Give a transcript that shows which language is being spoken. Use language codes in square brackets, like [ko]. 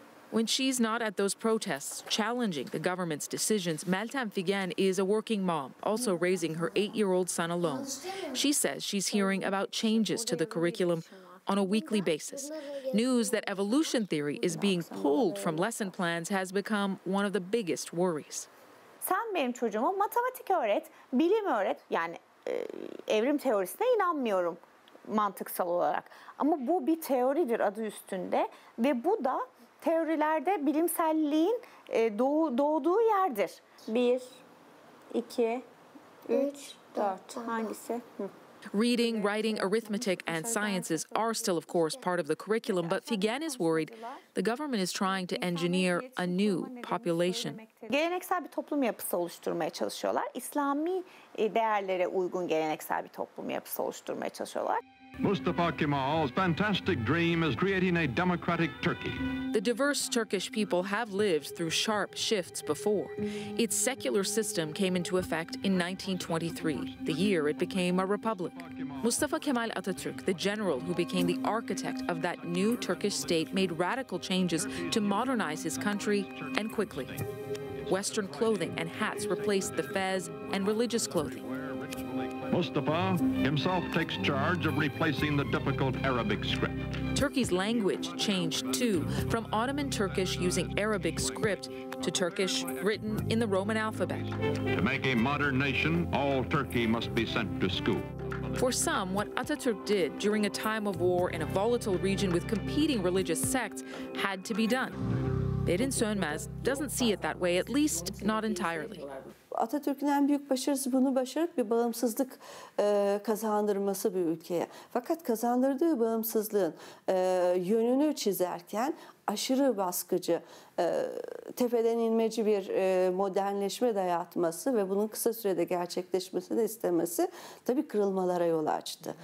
[en] When she's not at those protests challenging the government's decisions, Meltem Figen is a working mom, also raising her 8-year-old son alone. She says she's hearing about changes to the curriculum on a weekly basis. News that evolution theory is being pulled from lesson plans has become one of the biggest worries. [tr] Sen benim çocuğuma matematik öğret, bilim öğret, yani evrim teorisine inanmıyorum mantıksal olarak. Ama bu bir teoridir adı üstünde ve bu da teorilerde bilimselliğin doğduğu yerdir. Bir, iki, üç, dört. Hangisi? [en] Reading, writing, arithmetic, and sciences are still, of course, part of the curriculum, but Figen is worried the government is trying to engineer a new population. [tr] Geleneksel bir toplum yapısı oluşturmaya çalışıyorlar. İslami değerlere uygun geleneksel bir toplum yapısı oluşturmaya çalışıyorlar. [en] Mustafa Kemal's fantastic dream is creating a democratic Turkey. The diverse Turkish people have lived through sharp shifts before. Its secular system came into effect in 1923, the year it became a republic. Mustafa Kemal Atatürk, the general who became the architect of that new Turkish state, made radical changes to modernize his country and quickly. Western clothing and hats replaced the fez and religious clothing. Mustafa himself takes charge of replacing the difficult Arabic script. Turkey's language changed too, from Ottoman Turkish using Arabic script to Turkish written in the Roman alphabet. To make a modern nation, all Turkey must be sent to school. For some, what Atatürk did during a time of war in a volatile region with competing religious sects had to be done. Bedin Sönmez doesn't see it that way, at least not entirely. [tr] Atatürk'ün en büyük başarısı bunu başarıp bir bağımsızlık kazandırması bir ülkeye. Fakat kazandırdığı bağımsızlığın yönünü çizerken aşırı baskıcı, tepeden inmeci bir modernleşme dayatması ve bunun kısa sürede gerçekleşmesini istemesi tabii kırılmalara yol açtı.